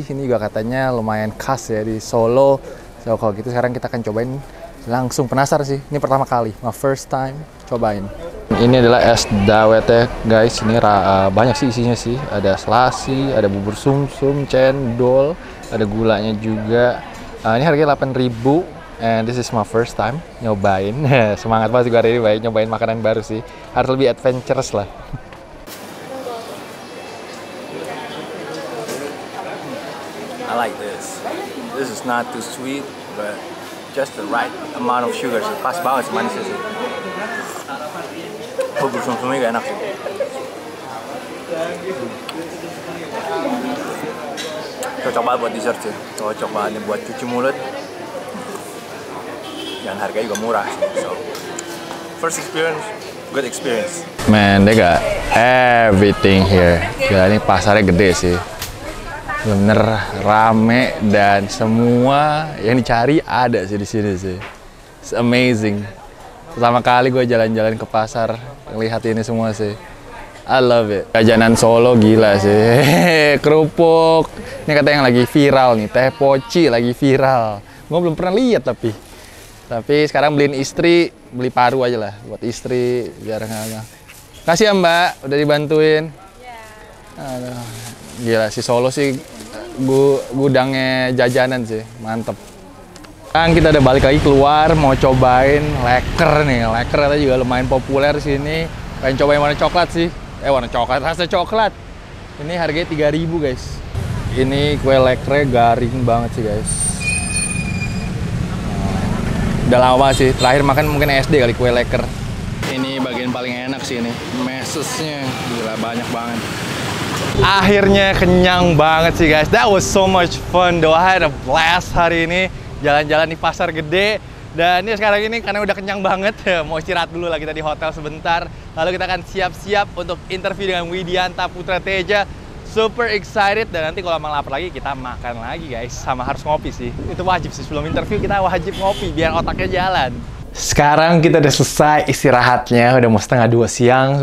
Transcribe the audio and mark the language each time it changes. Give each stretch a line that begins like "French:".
Indonesian: Ini juga katanya lumayan khas ya di Solo. So kalau gitu sekarang kita akan cobain. Langsung penasaran sih, ini pertama kali,
English: my first time
Indonesian: cobain. Ini adalah es dawet ya guys. Ini banyak sih isinya sih, ada selasi, ada bubur sumsum, cendol, ada gulanya juga. Ini harganya Rp8.000.
English: And this is my first time nyobain.
Indonesian: Semangat banget gue hari ini, baik nyobain makanan baru sih. Harus lebih adventurous lah.
English: I like this. This is not too sweet, but just the right amount of sugar.
Indonesian: Pas banget manisnya sih. Bubur sumsumnya gak enak sih. Cocok banget buat dessert sih. Cocok banget buat cuci mulut. Dan harganya juga murah.
English: So, first experience, good experience. Man, they got everything here.
Indonesian: Gila, ini pasarnya gede sih. Bener-bener rame dan semua yang dicari ada sih di sini sih.
English: It's amazing.
Indonesian: Pertama kali gue jalan-jalan ke pasar, lihat ini semua sih.
English: I love it.
Indonesian: Jajanan Solo gila sih. Kerupuk. Ini kata yang lagi viral nih, teh poci lagi viral. Gue belum pernah lihat tapi. Tapi sekarang beliin istri, beli paru aja lah buat istri biar enggak. Kasih ya Mbak, udah dibantuin. Iya. Aduh. Gila si Solo sih gudangnya jajanan sih, mantep. Sekarang kita udah balik lagi keluar mau cobain leker nih. Leker itu juga lumayan populer sini. Pengen cobain warna coklat sih. Warna coklat, rasa coklat. Ini harganya 3.000 guys. Ini kue lekernya garing banget sih guys. Udah lama sih, terakhir makan mungkin SD kali kue leker. Ini bagian paling enak sih ini, mesesnya gila banyak banget. Akhirnya kenyang banget sih guys,
English: that was so much fun though. I had a blast
Indonesian: hari ini, jalan-jalan di Pasar Gede. Dan ya sekarang ini karena udah kenyang banget, mau istirahat dulu lah kita di hotel sebentar. Lalu kita akan siap-siap untuk interview dengan Widianta Putra Teja.
English: Super excited,
Indonesian: dan nanti kalau emang lapar lagi kita makan lagi guys, sama harus ngopi sih. Itu wajib sih, sebelum interview kita wajib ngopi biar otaknya jalan. Sekarang kita udah selesai istirahatnya, udah mau setengah 2 siang.